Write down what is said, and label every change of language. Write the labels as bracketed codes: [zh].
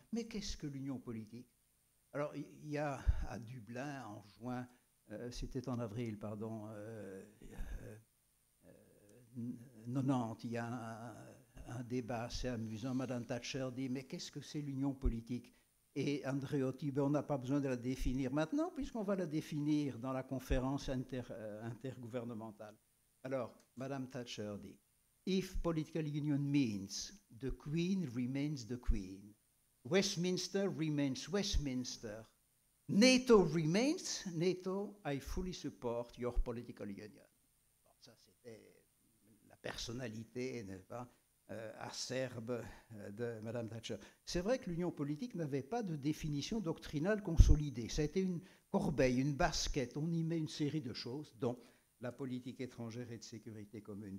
[fr] Mais qu'est-ce que l'union politique ? Alors, il y a à Dublin, en juin, c'était en avril, 90, il y a un débat assez amusant. Madame Thatcher dit, mais qu'est-ce que c'est l'union politique ? Et Andreotti, ben, on n'a pas besoin de la définir maintenant, puisqu'on va la définir dans la conférence intergouvernementale. Alors, Madame Thatcher dit, [en] if political union means the queen remains the queen, Westminster remains Westminster, NATO remains NATO, I fully support your political union. [fr] Bon, ça, c'était la personnalité, n'est-ce pas, acerbe de Madame Thatcher. C'est vrai que l'union politique n'avait pas de définition doctrinale consolidée. Ça a été une corbeille, une basket. On y met une série de choses, dont la politique étrangère et de sécurité commune.